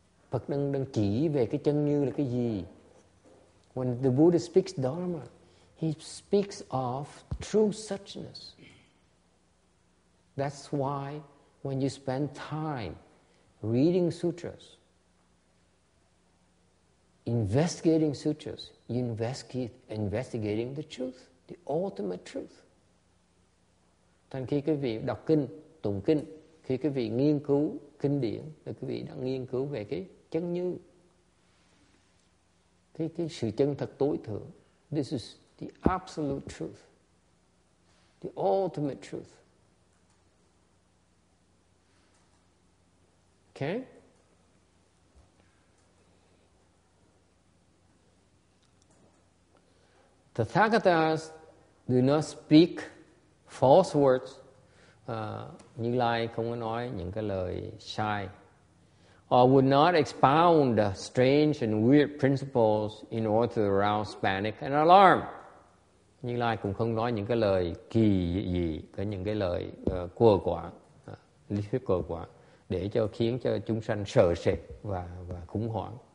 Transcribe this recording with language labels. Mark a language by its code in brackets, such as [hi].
[vi] Phật đang chỉ về cái chân như là cái gì. [en] When the Buddha speaks Dharma, he speaks of true suchness. That's why when you spend time reading sutras, investigating sutras, you investigating the truth, the ultimate truth. [vi] Thành khi quý vị đọc kinh, tụng kinh, khi quý vị nghiên cứu kinh điển, là quý vị đang nghiên cứu về cái chân như. Cái sự chân thật tối thượng. [en] This is the absolute truth. The ultimate truth. Okay? The Tathagatas do not speak false words. [vi] Như Lai không có nói những cái lời sai. [en] Or would not expound strange and weird principles in order to arouse panic and alarm. [vi] Như Lai cũng không nói những cái lời kỳ gì, cái những cái lời cua quả, lý thuyết cua quả, để cho khiến cho chúng sanh sợ sệt và khủng hoảng.